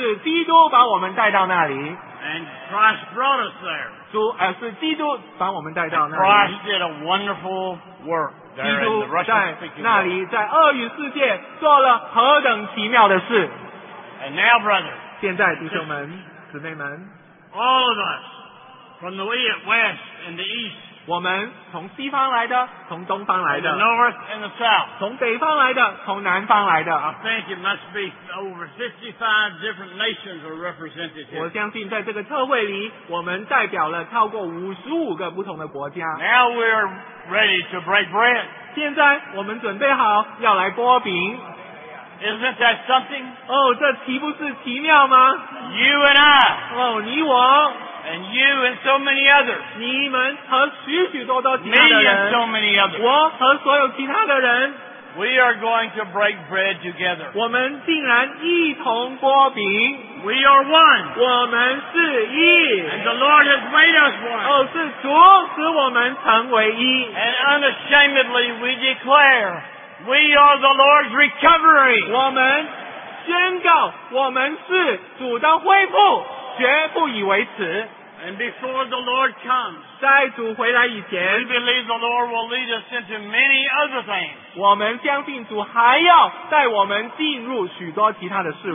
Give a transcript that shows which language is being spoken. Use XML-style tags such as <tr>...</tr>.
<zh>是基督把我们带到那里。</zh> <en>And Christ brought us there.</en> <zh>是基督把我们带到那里。</zh> <en>Christ did a wonderful work.</en> <zh>基督在那里，在俄语世界做了何等奇妙的事。</zh> <en>And now, brothers,</en> <zh>现在弟兄们、姊妹们</zh> <en>，All of us from the west and the east，</en> <zh>我们从西方来的，从东方来的</zh> <en>，the north and the south，</en> <zh>从北方来的，从南方来的。</zh> <en>I think it must be over 55 different nations are represented here.</en> <zh>我相信在这个特会里，我们代表了超过55个不同的国家。</zh> <en>Now we're ready to break bread.</en> <zh>现在我们准备好要来擘饼。</zh> <en>Isn't that something?</en> <zh>哦，这岂不是奇妙吗</zh> <en>？You and I.</en> <zh>哦，你我。</zh> <en>And you and so many others.</en> <zh>你们和许许多多其他的</zh> <en>人。Me and so many others.</en> <zh>我和所有其他的人。</zh> <en>We are going to break bread together.</en> <zh>我们竟然一同擘饼。</zh> <en>We are one.</en> <zh>我们是一。</zh> <en>And the Lord has made us one.</en> <zh>哦，是主使我们成为一。</zh> <en>And unashamedly we declare, we are the Lord's recovery.</en> <zh>我们宣告我们是主的恢复。绝不以为耻。</zh> <en>And before the Lord comes,</en> <zh>在主回来以前</zh> <en>we believe the Lord will lead us into many other things.</en> <zh>我们相信主还要带我们进入许多其他的事物。</zh>